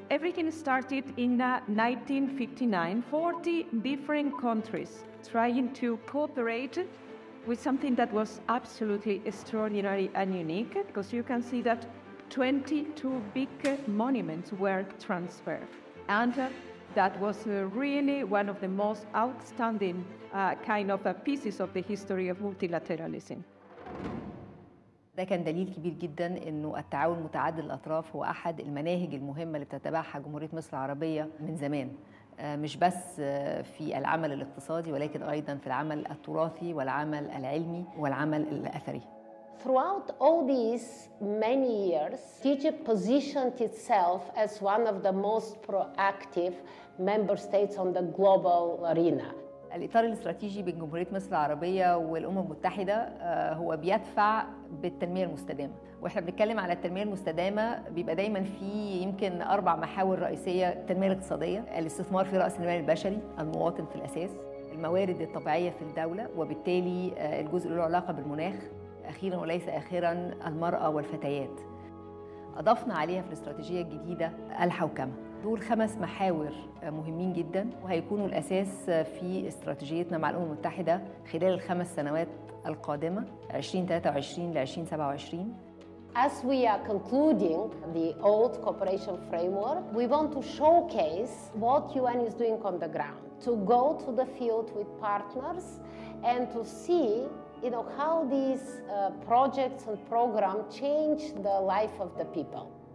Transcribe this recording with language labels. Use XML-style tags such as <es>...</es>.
<en>Everything started in 1959, 40 different countries trying to cooperate with something that was absolutely extraordinary and unique, because you can see that 22 big monuments were transferred. And that was really one of the most outstanding kind of pieces of the history of multilateralism.</en> <ar>ده كان دليل كبير جدا انه التعاون متعدد الاطراف هو احد المناهج المهمه اللي بتتبعها جمهوريه مصر العربيه من زمان، مش بس في العمل الاقتصادي ولكن ايضا في العمل التراثي والعمل العلمي والعمل الاثري.</ar> <en>Throughout all these many years, Egypt positioned itself as one of the most proactive member states on the global arena.</en> <ar>الإطار الاستراتيجي بين جمهورية مصر العربية والأمم المتحدة هو بيدفع بالتنمية المستدامة، وإحنا بنتكلم على التنمية المستدامة بيبقى دايماً في يمكن أربع محاور رئيسية: التنمية الاقتصادية، الاستثمار في رأس المال البشري، المواطن في الأساس، الموارد الطبيعية في الدولة، وبالتالي الجزء له علاقة بالمناخ، أخيراً وليس آخراً المرأة والفتيات. أضفنا عليها في الاستراتيجية الجديدة الحوكمة. دول خمس محاور مهمين جدا وهيكونوا الأساس في استراتيجيتنا مع الأمم المتحدة خلال الخمس سنوات القادمة 2023 ل 2027.</ar> <en>As we are concluding the old cooperation framework, we want to showcase what UN is doing on the ground, to go to the field with partners and to see, you know, how these projects and programs change the life of the people.</en>